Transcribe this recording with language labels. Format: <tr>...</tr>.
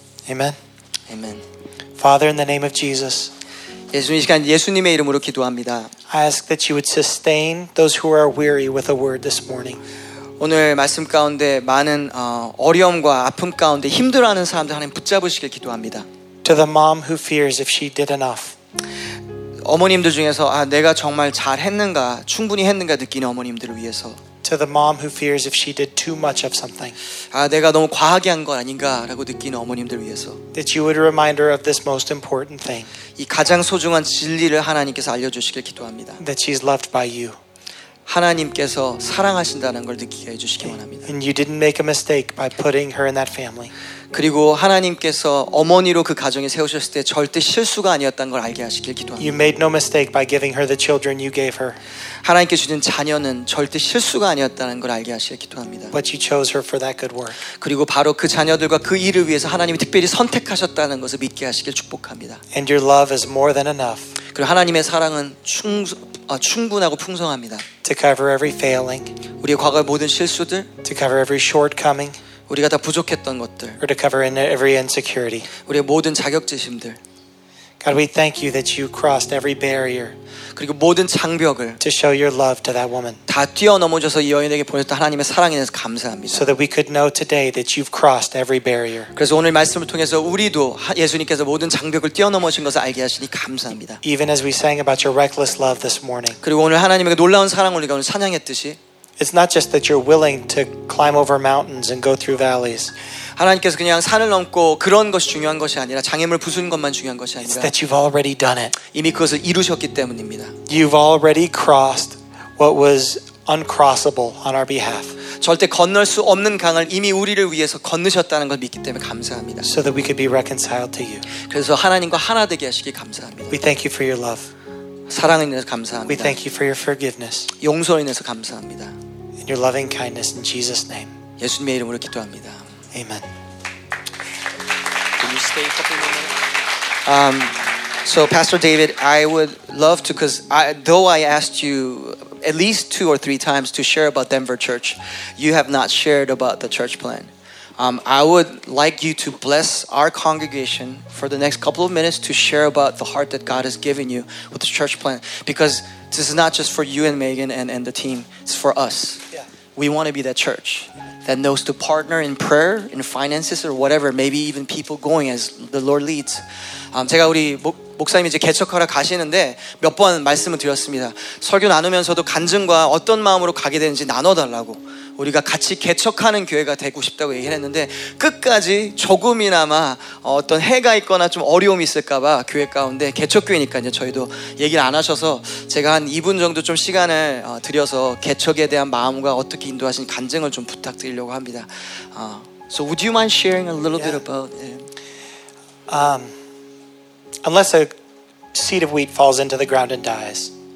<en>Amen. Amen. Father, in the name of Jesus.</en> <ko>예수님 시간 예수님의 이름으로 기도합니다.</ko> <en>I ask that you would sustain those who are weary with a word this morning.</en> <ko>오늘 말씀 가운데 많은 어려움과 아픔 가운데 힘들어하는 사람들 하나님 붙잡으시길 기도합니다.</ko> <en>To the mom who fears if she did enough.</en> <ko>어머님들 중에서 내가 정말 잘 했는가 충분히 했는가 느끼는 어머님들을 위해서.</ko> <en>To the mom who fears if she did too much of something.</en> <ko>내가 너무 과하게 한 것 아닌가라고 느끼는 어머님들 위해서.</ko> <en>That you would remind her of this most important thing.</en> <ko>이 가장 소중한 진리를 하나님께서 알려주시길 기도합니다.</ko> <en>That she is loved by you.</en> <ko>하나님께서 사랑하신다는 걸 느끼게 해주시기 원합니다.</ko> <en>And you didn't make a mistake by putting her in that family.</en> <ko>그리고 하나님께서 어머니로 그 가정에 세우셨을 때 절대 실수가 아니었다는 걸 알게 하시길 기도합니다.</ko> <en>You made no mistake by giving her the children you gave her.</en> <ko>하나님께 주신 자녀는 절대 실수가 아니었다는 걸 알게 하시길 기도합니다.</ko> <en>But you chose her for that good work.</en> <ko>그리고 바로 그 자녀들과 그 일을 위해서 하나님이 특별히 선택하셨다는 것을 믿게 하시길 축복합니다.</ko> <en>And your love is more than enough.</en> <ko>그리고 하나님의 사랑은 충분하고 풍성합니다.</ko> <en>To cover every failing.</en> <ko>우리의 과거의 모든 실수들.</ko> <en>To cover every shortcoming.</en> <ko>우리가 다 부족했던 것들.</ko> <en>Or to cover every insecurity.</en> <ko>우리의 모든 자격지심들.</ko> <en>God, we thank you that you crossed every barrier.</en> <ko>그리고 모든 장벽을.</ko> <en>To show your love to that woman.</en> <ko>다 뛰어넘어져서 이 여인에게 보냈던 하나님의 사랑에 대해서 감사합니다.</ko> <en>So that we could know today that you've crossed every barrier.</en> <ko>그래서 오늘 말씀을 통해서 우리도 예수님께서 모든 장벽을 뛰어넘으신 것을 알게 하시니 감사합니다.</ko> <en>Even as we sang about your reckless love this morning.</en> <ko>그리고 오늘 하나님에게 놀라운 사랑을 우리가 오늘 찬양했듯이.</ko> <en>It's not just that you're willing to climb over mountains and go through valleys.</en> <ko>하나님께서 그냥 산을 넘고 그런 것이 중요한 것이 아니라 장애물 부수는 것만 중요한 것이 아니라</ko> <en>It's that you've already done it.</en> <ko>이미 그것을 이루셨기 때문입니다.</ko> <en>You've already crossed what was uncrossable on our behalf.</en> <ko>절대 건널 수 없는 강을 이미 우리를 위해서 건너셨다는 걸 믿기 때문에 감사합니다.</ko> <en>So that we could be reconciled to you.</en> <ko>그래서 하나님과 하나 되게 하시기 감사합니다.</ko> <en>We thank you for your love.</en> <ko>사랑에 대해서 감사합니다.</ko> <en>We thank you for your forgiveness.</en> <ko>용서에 대해서 감사합니다.</ko> <en>In your loving kindness, in Jesus' name.</en> <ko>예수님의 이름으로 기도합니다.</ko> <en>Amen. Can you stay a couple minutes? So, Pastor David, I would love to, because though I asked you at least two or three times to share about Denver Church, you have not shared about the church plan. I would like you to bless our congregation for the next couple of minutes to share about the heart that God has given you with the church plan, because this is not just for you and Megan and the team. It's for us. Yeah. We want to be that church that knows to partner in prayer, in finances, or whatever, maybe even people going as the Lord leads.</en> <ko>제가 우리 목사님이 이제 개척하러 가시는데 몇 번 말씀을 드렸습니다. 설교 나누면서도 간증과 어떤 마음으로 가게 되는지 나눠달라고. 우리가 같이 개척하는 교회가 되고 싶다고 얘기를 했는데 끝까지 조금이나마 어떤 해가 있거나 좀 어려움이 있을까봐 교회 가운데 개척교회니까요 저희도 얘기를 안 하셔서 제가 한 2분 정도 좀 시간을 드려서 개척에 대한 마음과 어떻게 인도하신 간증을 좀 부탁드리려고 합니다.</ko> <en>So would you mind sharing a little bit about Unless a seed of wheat falls into the ground and dies,</en>